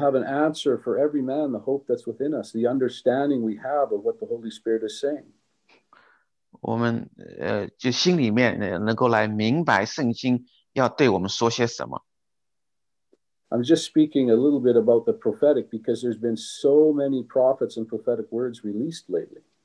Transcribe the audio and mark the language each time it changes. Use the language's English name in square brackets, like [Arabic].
[English] have an answer for every man, the hope that's within us, the understanding we have of what the Holy Spirit is saying. [Chinese] 我们就心里面能够来明白圣经要对我们说些什么。 [English] I'm just speaking a little bit about the prophetic because there's been so many prophets and prophetic words released lately.